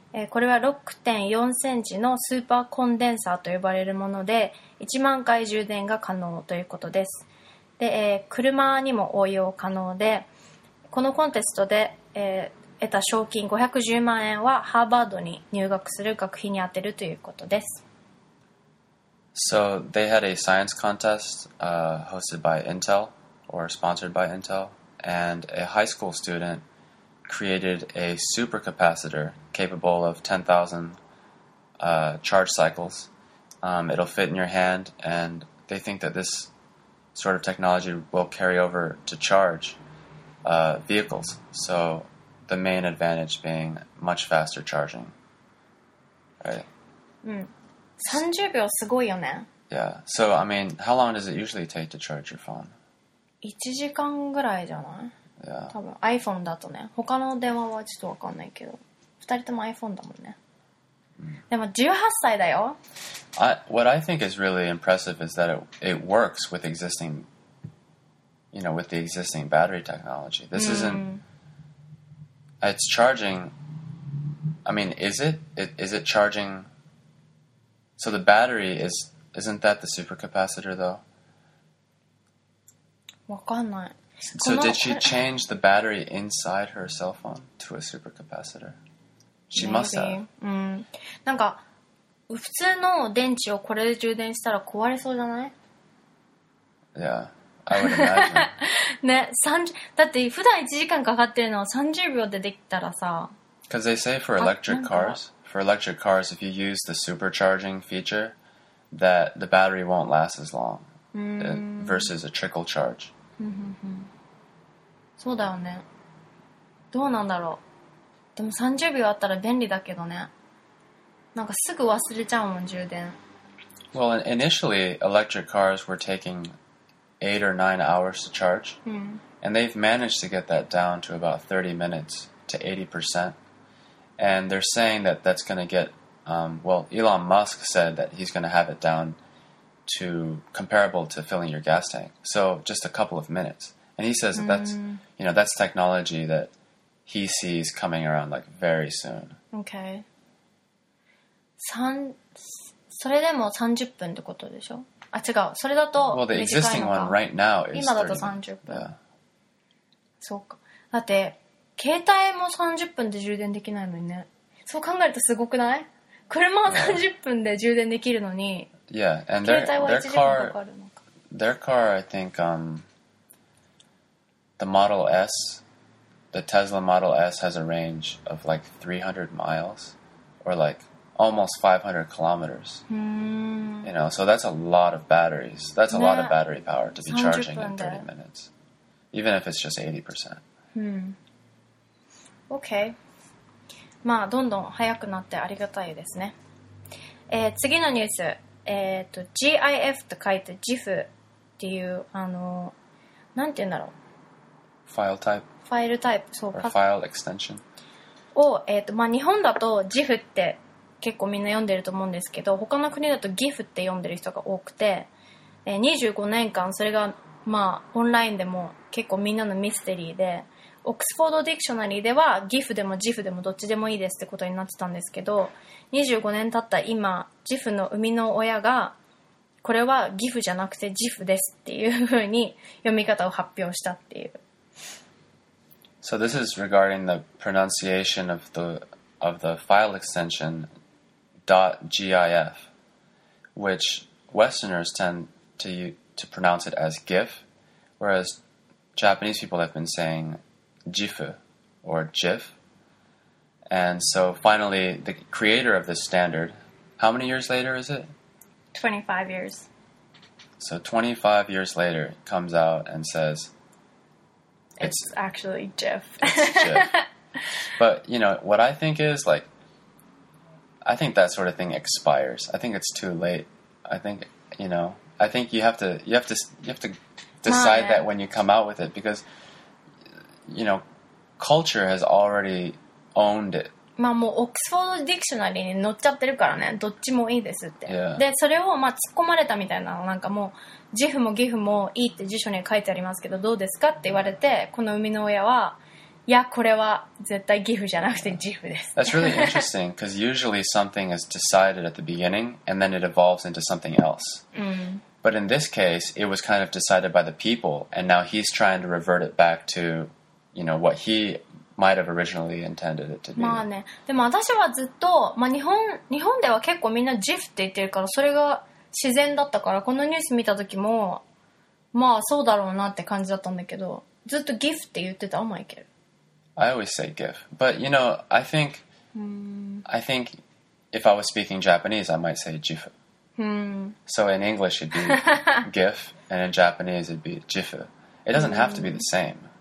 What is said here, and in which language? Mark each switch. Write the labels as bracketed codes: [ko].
[ja] これは 6.4 センチのスーパーコンデンサーと呼ばれるもので、1万回充電が可能ということです。で、車にも応用可能で、このコンテストで、得た賞金510万円はハーバードに入学する学費に充てるということです。 [en] So they had a science contest hosted by Intel or sponsored by Intel, and a high school student created a supercapacitor capable of 10,000 charge cycles. It'll fit in your hand, and they think that this sort of technology will carry over to charge vehicles. So the main advantage being much faster charging. Right. [ja] Mm. 30秒すごいよね。 [en] Yeah, so I mean, how long does it usually take to charge your phone? [ja] 1時間ぐらいじゃない [en] ？Yeah. [ja] 多分 iPhone だとね。他の電話はちょっとわかんないけど、2人とも iPhone だもんね。でも18歳だよ。 [en] What I think is really impressive is that it works with existing, you know, with the existing battery technology. This isn't, it's charging, I mean, is it charging... So the battery isn't that the supercapacitor though? [ja] わかんない。 [en] So did she change the battery inside her cell phone to a supercapacitor? She must have. [ja] なんか普通の電池をこれで充電したら壊れそうじゃない [en] ？Yeah, I would imagine. [ja] ね、だって普段1時間かかってるのを30秒でできたらさ。 [en] Because they say for electric cars. For electric cars, if you use the supercharging feature, that the battery won't last as long versus a trickle charge. [ja] そうだよね。どうなんだろう。でも30秒あったら便利だけどね。なんかすぐ忘れちゃうもん、充電。 [en] Well, initially, electric cars were taking 8 or 9 hours to charge. And they've managed to get that down to about 30 minutes to 80%. And they're saying that that's going to get, well, Elon Musk said that he's going to have it down to comparable to filling your gas tank. So just a couple of minutes. And he says that that's, you know, that's technology that he sees coming around like very soon. Okay. [ja] それでも30分ってことでしょ？あ、違う。それだと短いのか。 [en] Well, the existing one right now is [ja] 今だと30分。 [en] Yeah. [ja] そうか。だって、携帯も30分で充電できないのにね。そう考えるとすごくない？車は30分で充電できるのに、 [en] yeah. and [ja] 携帯は1時間かかるのか。 [en] Their car, I think, the Model S, the Tesla Model S has a range of like 300 miles or like almost 500 kilometers. You know, so that's a lot of batteries. That's a lot of battery power to be charging in 30 minutes. Even if it's just 80%. OK。 [ja] まあどんどん速くなってありがたいですね。次のニュース、GIF と書いて GIF っていう、なんて言うんだろう、ファイルタイプ、そう、ファイルエクステンションを、まあ、日本だと GIF って結構みんな読んでると思うんですけど、他の国だと GIF って読んでる人が多くて、25年間それが、まあ、オンラインでも結構みんなのミステリーで、オックスフォードディクショナリーでは GIF でも GIF でもどっちでもいいですってことになってたんですけど、25年経った今、GIF の生みの親がこれは GIF じゃなくて GIF ですっていうふうに読み方を発表したっていう。 [en] So this is regarding the pronunciation of the file extension .gif, which Westerners tend to pronounce it as GIF, whereas Japanese people have been sayingGIF or GIF. And so finally, the creator of this standard, how many years later is it? 25 years. So 25 years later, comes out and says, It's actually Jif. But, you know, what I think is, like, I think that sort of thing expires. I think it's too late. I think, you know, I think you have to decide that when you come out with it, because, you know, culture has already owned it. [ja] まあもうオックスフォードディクショナリーに載っちゃってるからね、どっちもいいですって。 [en] Yeah. [ja] で、それをまあ突っ込まれたみたいなの、なんかもう、ジフもギフもいいって辞書に書いてありますけど、どうですかって言われて、この生みの親は、いや、これは絶対ギフじゃなくてジフです。 [en] That's really interesting, because usually something is decided at the beginning, and then it evolves into something else.、 Mm. But in this case, it was kind of decided by the people, and now he's trying to revert it back to, you know, what he... Might have originally intended it to be. [ja] まあね。でも私はずっと、まあ日本では結構みんな GIF って言ってるから、それが自然だったから、このニュース見た時も、まあそうだろうなって感じだったんだけど、ずっと GIF って言ってた、マイケル。 [en] I always say GIF. But you know, I think if I was speaking Japanese, I might say JIF. So in English it'd be GIF, and in Japanese it'd be JIF. It doesn't have to be the same.